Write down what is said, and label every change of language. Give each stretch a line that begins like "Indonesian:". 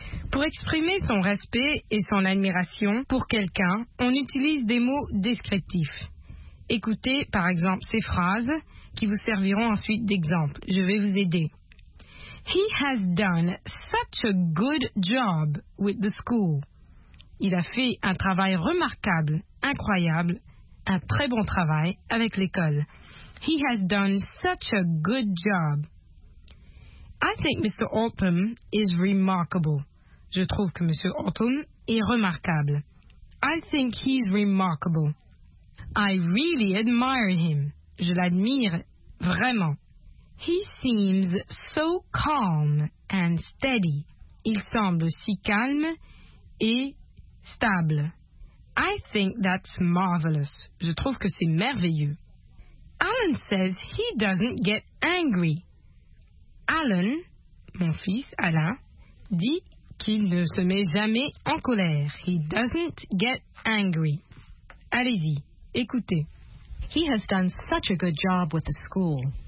French: Pour exprimer son respect et son admiration pour quelqu'un, on utilise des mots descriptifs. Écoutez, par exemple, ces phrases qui vous serviront ensuite d'exemple. Je vais vous aider.
English: He has done such a good job with the school.
French: Il a fait un travail remarquable, incroyable, un très bon travail avec l'école.
English: He has done such a good job. I think Mr. Altham is remarkable.
French: Je trouve que Monsieur Altham est remarquable.
English: I think he's remarkable. I really admire him.
French: Je l'admire vraiment.
English: He seems so calm and steady.
French: Il semble si calme et stable.
English: I think that's marvelous.
French: Je trouve que c'est merveilleux.
English: Alan says he doesn't get angry.
French: Alan, mon fils Alan, dit qu'il ne se met jamais en colère.
English: He doesn't get angry.
French: Allez-y, écoutez.
English: He has done such a good job with the school.